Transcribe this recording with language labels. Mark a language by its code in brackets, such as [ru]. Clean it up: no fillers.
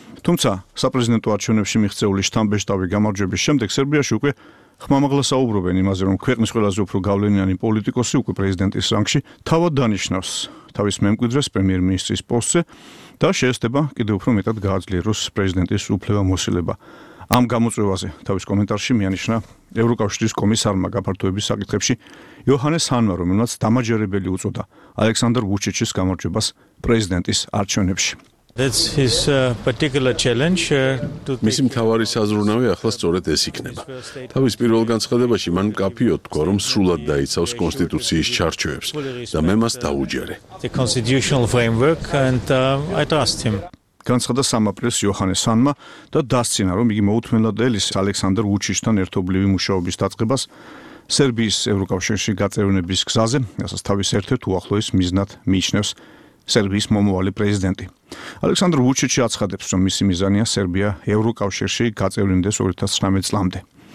[ka] თუმცა საპრეზიდენტო არჩევნებში მიღწეული შთამბეჭდავი გამარჯვების შემდეგ სერბიაში უკვე ხმამაღლა საუბრობენ იმაზე, რომ ქვეყნის ყველაზე უფრო გავლენიანი პოლიტიკოსი უკვე პრეზიდენტის რანგში თავად დანიშნავს თავის მემკვიდრეს პრემიერ-მინისტრის პოსტზე და შეესდება კიდევ უფრო მეტად გააძლიეროს პრეზიდენტის უფლებამოსილება. ამ გამოწვევაზე თავის კომენტარში მიანიშნა ევროკავშირის კომისარმა გაფართოების საკითხებში იოჰანეს ჰანმა, რომელმაც დამაჯერებელი უწოდა ალექსანდრ ვუჩიჩის გამარჯვებას პრეზიდენტის არჩევნებში. [en] That's his particular challenge to [ka] მის მთავარი საზრუნავი ახლა სწორედ ეს იქნება. თავის პირველ განცხადებაში მან კაფიო თქვა, რომ სრულად დაიცავს კონსტიტუციის ჩარჩოებს და მე მას დაუჯერე. [en] The constitutional framework and I trust him. [ka] განცხადა 3 აპრილს იოჰანეს ჰანმა და დასცინა, რომ იგი მოუთმენლად ელის ალექსანდრ ვუჩიჩთან ერთობლივი მუშაობის დაწყებას სერბიის ევროკავშირში გაწევრიანების გზაზე, რასაც თავის ერთ-ერთ უახლოეს მიზნად მიიჩნევს სერბიის მომავალი პრეზიდენტი. ალექსანდრ ვუჩიჩი აცხადებს, რომ მისი მიზანია სერბია ევროკავშირში გაწევრიანდეს 2019 წლამდე.